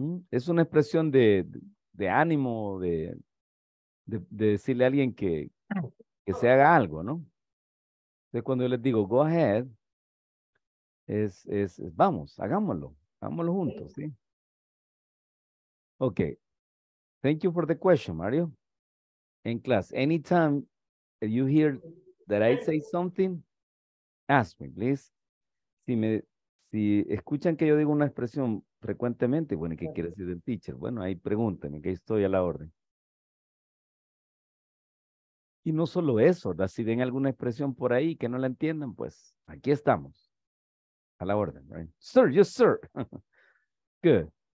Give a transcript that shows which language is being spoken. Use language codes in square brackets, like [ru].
[es] Es una expresión de ánimo, de decirle a alguien que se haga algo, ¿no? Entonces, cuando yo les digo, [en] go ahead, [es] es vamos, hagámoslo juntos, ¿sí? [en] Ok. Thank you for the question, Mario. In class, anytime you hear that I say something, ask me, please. [es] Si escuchan que yo digo una expresión frecuentemente, bueno, ¿qué quiere decir el teacher? Bueno, ahí pregúntenme, que estoy a la orden. Y no solo eso, ¿verdad? Si ven alguna expresión por ahí que no la entiendan, pues aquí estamos. A la orden, [en] right? Sir, yes, sir. Good.